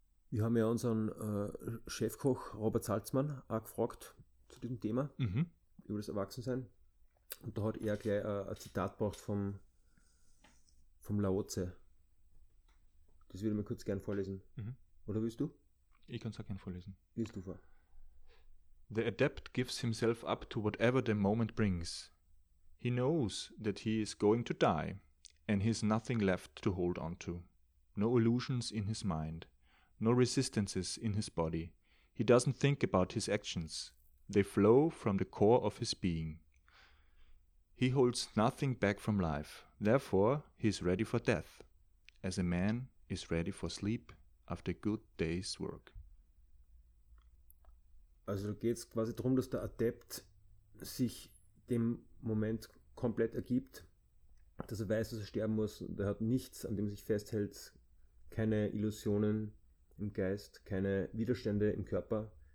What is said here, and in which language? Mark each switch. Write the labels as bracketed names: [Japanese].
[German] Wir haben ja unseren Chefkoch Robert Salzmann auch gefragt zu diesem Thema, über das Erwachsensein. Und da hat er gleich ein Zitat gebracht vom Lao Tse. Das würde ich mir kurz gern vorlesen. Mhm. Oder willst du? Ich kann es auch gern vorlesen. Willst du vor? [English] The adept gives himself up to whatever the moment brings. He knows that he is going to die and he has nothing left to hold on to. No illusions in his mind. No resistances in his body. He doesn't think about his actions. They flow from the core of his being. He holds nothing back from life. Therefore, he is ready for death. As a man is ready for sleep after a good day's work. [German] Also geht es quasi darum, dass der Adept sich dem Moment komplett ergibt, dass er weiß, dass er sterben muss. Und er hat nichts, an dem er sich festhält, keine Illusionen im Geist, keine Widerstände im Körper.